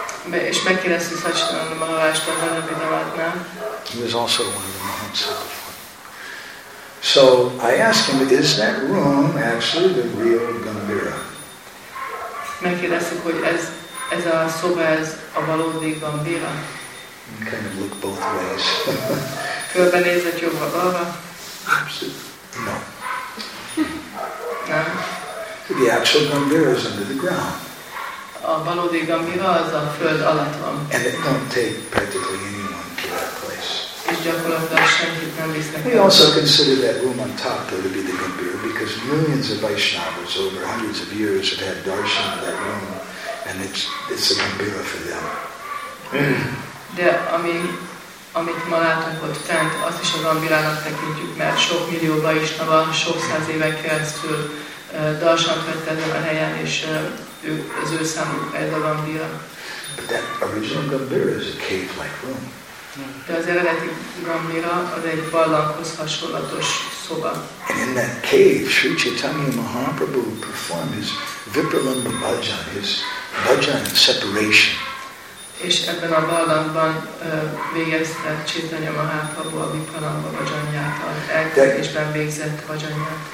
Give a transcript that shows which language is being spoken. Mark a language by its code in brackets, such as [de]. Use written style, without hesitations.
[hu] És megkérdezte Satchidananda Maharajt a Janjapitamatnál. [en] He was also one of the Mahamsa before. So I asked him, is that room actually the real Gambira? [hu] megkérdeztük, hogy ez a szoba, ez a valódi Gambira. [en] And kind of look both ways. [hu] Körbenézett jobbra-balra. [en] No. The actual Gambira is under the ground. [hu] A valódi Gambira az a föld alatt van. [en] And it don't take practically anyone to that place. [hu] És gyakorlatilag senkit nem visznek. [en] We also consider that room on top though, to be the Gambira, because millions of Vaishnavas over hundreds of years have had darshan of that room, and it's a Gambira for them. [hu] De amit ma látunk ott fent, azt is a Gambirának tekintjük, mert sok millió Vaishnava sok száz éve keresztül darshant vett ezen a helyen, és az ő számuk ez a Gambira. [en] But that original Gambira is a cave-like room. [hu] De az eredeti Gambira az egy barlanghoz hasonlatos szoba. [en] And in that cave, Sri Chaitanya Mahaprabhu performed his Viparamba Bhajan, his Bhajan separation. [hu] És ebben a barlangban végezte Chaitanya Mahaprabhu a Viparamba Bhajanját, az elkezdésben végzett Bhajanját.